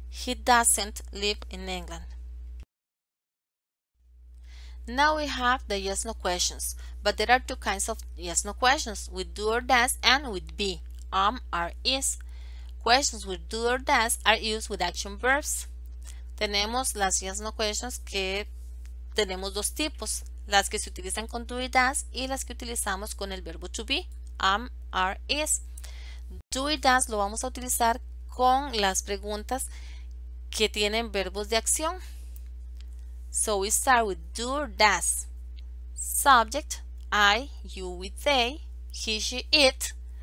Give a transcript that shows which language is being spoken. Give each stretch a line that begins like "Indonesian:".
English: He doesn't live in England. Now we have the yes no questions. But there are two kinds of yes no questions, with do or does and with be, am, are, is. Questions with do or does are used with action verbs.
Spanish: Tenemos las yes no questions que tenemos dos tipos, las que se utilizan con do y does y las que utilizamos con el verbo to be, am, are, is. Do y does lo vamos a utilizar con las preguntas que tienen verbos de acción.
English: So we start with do or does. Subject, I, you, we, they, he, she, it.